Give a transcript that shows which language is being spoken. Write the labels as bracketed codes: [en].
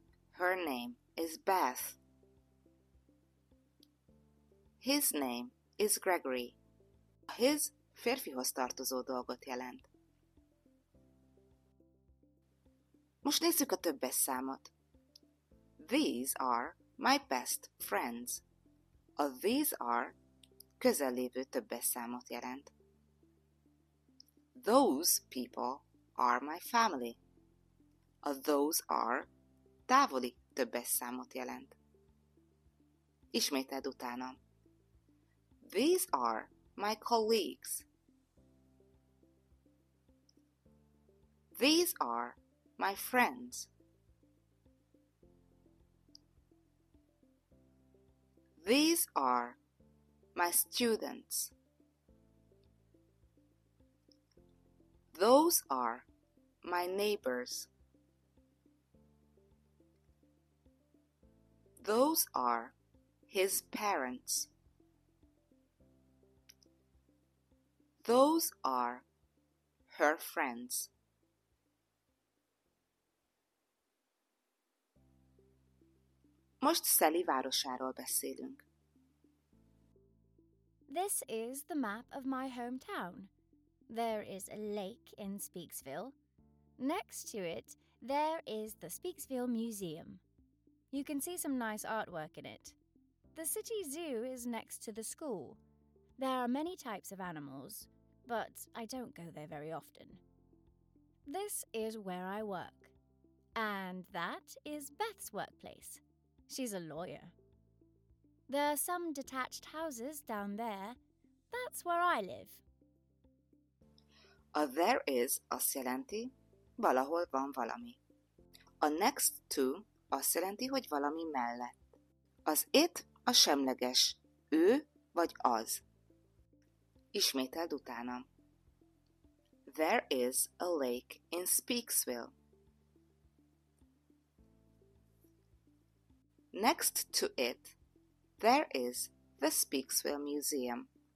[en] Her name is Beth. His name is Gregory. [hu] His férfihoz tartozó dolgot jelent. Most nézzük a többes számot. [en] These are my best friends. [hu] A [en] these are [hu] közel lévő többes számot jelent. [en] Those people are my family. [hu] A [en] those are [hu] távoli többes számot jelent. Ismételd utána. [en] These are my colleagues. These are my friends. These are my students. Those are my neighbors. Those are his parents. Those are her friends. [hu] Most Sally városáról beszélünk. [en] This is the map of my hometown. There is a lake in Speakesville. Next to it, There is the Speaksville Museum. You can see some nice artwork in it. The city zoo is next to the school. There are many types of animals, but I don't go there very often. This is where I work. And that is Beth's workplace. She's a lawyer. There are some detached houses down there. That's where I live. There is, [hu] azt jelenti, valahol van valami. A [en] next to [hu] azt jelenti, hogy valami mellett. Az it a semleges, ő vagy az. Ismételd utánam. [en] There is a lake in Speaksville. Next to it, there is the Speaksville Museum.